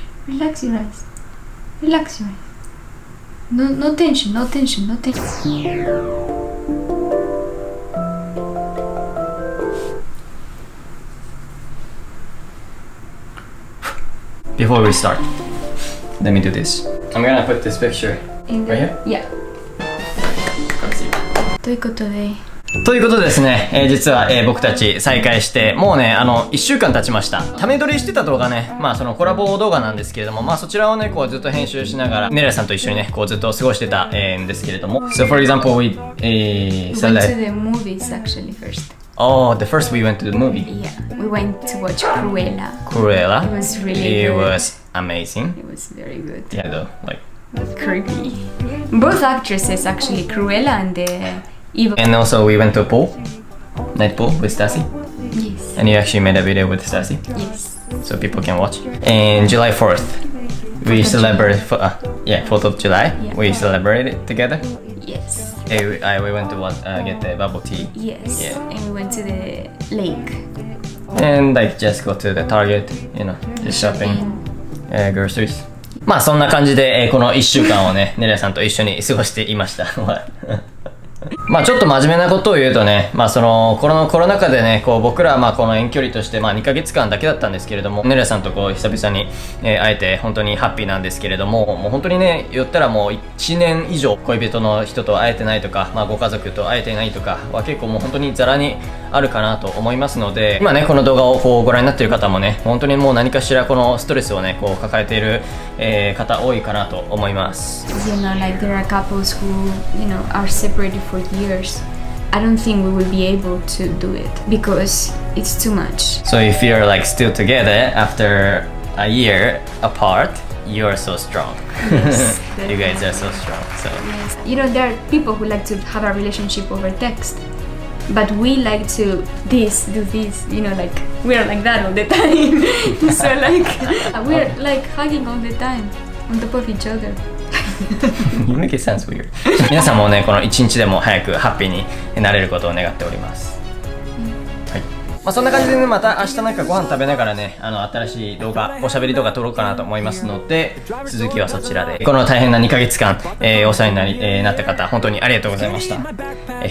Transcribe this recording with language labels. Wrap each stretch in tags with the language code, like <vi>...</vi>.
<en>Relax your eyes. Relax your eyes. No, no tension, no tension, no tension. Before we start, let me do this. I'm gonna put this picture in the, right here? Yeah.</en> <ja>ということで、ということですね、実は、僕たち再会してもうね、1週間経ちました。ため撮りしてた動画ね、まあそのコラボ動画なんですけれども、まあそちらをね、こうずっと編集しながらネラさんと一緒にね、こうずっと過ごしてた、んですけれども、</ja> <en>So for example, we went to the movies actually first. Oh, the first we went to the movie. Yeah, we went to watch Cruella. Cruella? It was really good. It was amazing. It was very good. Yeah, though, like creepyBoth actresses actually, Cruella and the evil. And also, we went to a pool, night pool with Stassi. Yes. And you actually made a video with Stassi. Yes. So people can watch. And July 4th, we celebrate. Yeah, 4th of July, yeah. We celebrated together. Yes. And we went to get the bubble tea. Yes. Yeah. And we went to the lake. And like just go to the Target, you know, the shopping, groceries.</en> <ja>まあそんな感じで、この1週間をね、ネレさんと一緒に過ごしていました。まあちょっと真面目なことを言うとね、まあそのコロナ禍でね、こう僕らはまあこの遠距離としてまあ2ヶ月間だけだったんですけれども、ネレさんとこう久々に、会えて本当にハッピーなんですけれども、もう本当にね、言ったらもう1年以上恋人の人と会えてないとか、まあご家族と会えてないとかは結構もう本当にザラにあるかなと思いますので、今ねこの動画をこうご覧になっている方もね、本当にもう何かしらこのストレスをね、こう抱えている、方多いかなと思います。</ja> <en>You know, like there are couples who, you know, are separated for years. I don't think we will be able to do it because it's too much. So if you're like still together after a year apart, you're so strong. Yes, you guys are so strong. So. Yes. You know, there are people who like to have a relationship over textBut we like to do this, you know, like we are like that all the time. So like we are like hugging all the time on top of each other. You make it sounds weird.</en> <ja>皆さんもね、この一日でも早くハッピーになれることを願っております。まあそんな感じで、ね、また明日なんかご飯食べながらね、新しい動画、おしゃべり動画撮ろうかなと思いますので、続きはそちらで。この大変な2ヶ月間、お世話になり、なった方本当にありがとうございました。</ja>